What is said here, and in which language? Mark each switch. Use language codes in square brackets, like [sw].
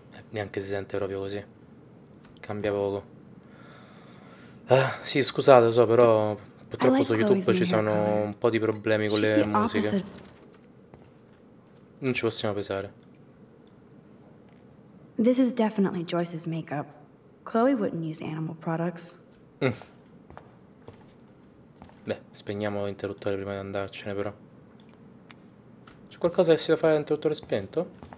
[it] neanche si sente proprio così. Cambia poco. Ah, sì, scusate, lo so, però purtroppo su YouTube ci sono un po' di problemi con le musiche. Non ci possiamo pesare. [en] This is definitely Joyce's makeup. Chloe wouldn't use animal products. [it] Beh, spegniamo l'interruttore prima di andarcene, però. C'è qualcosa che si deve fare all'interruttore spento?